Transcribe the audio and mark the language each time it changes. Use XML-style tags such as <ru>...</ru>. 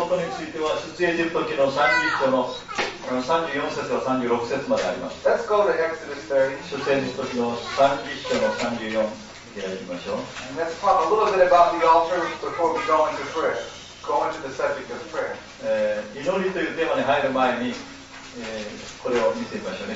<ja>この香壇のことについては出エジプト記の34節から36節まであります。</ja> <en>Let's go to Exodus 30.</en> <ja>出エジプト記の34章の34 見ていただきましょう。</ja> <en>And let's talk a little bit about the altar before we go into prayer. Go into the subject of prayer.</en> <ja>祈りというテーマに入る前に、これを見てみましょうね。</ja>